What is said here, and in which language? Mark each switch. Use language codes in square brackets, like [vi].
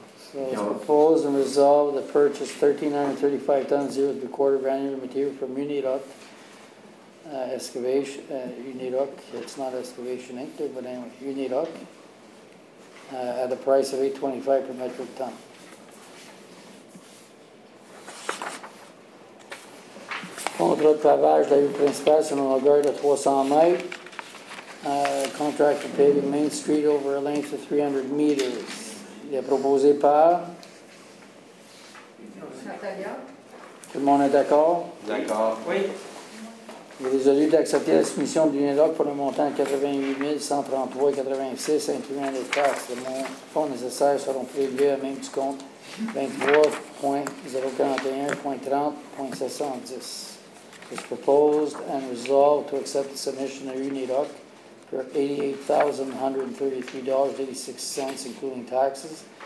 [en] So, it's proposed and resolved to purchase 1,335 tonnes, 0.75 granular material from Uniroc Excavation. Uniroc, it's not Excavation Inc., but anyway, Uniroc, at a price of $8.25 per metric ton. [fr] Contrat de pavage de la rue principale sur une longueur de 300 mètres. [en] Contract to pave the Main Street over a length of 300 meters. [fr] Il est proposé par? Natalia. Tout le monde est d'accord? D'accord. Oui. Il est résolu d'accepter la soumission du Niroc pour un montant de 88 133,86 incluant les taxes. Les fonds nécessaires seront prélevés à même du compte 23.041.30.710. [en] It's proposed and resolved to accept the submission of Uniroc for $88,133.86, including taxes.